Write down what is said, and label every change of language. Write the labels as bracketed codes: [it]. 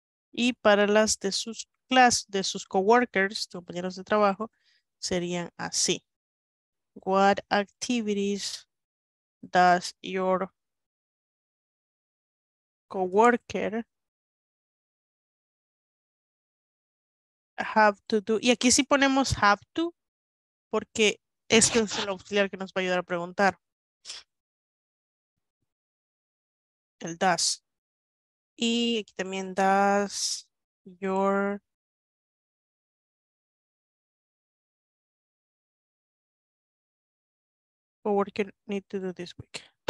[es] Y para las de sus clases, de sus coworkers, tus compañeros de trabajo, serían así. [en] What activities does your coworker have to do? [es] Y aquí sí ponemos have to, porque este es el auxiliar que nos va a ayudar a preguntar. El does. Y aquí también [en] does your coworker need to do this week.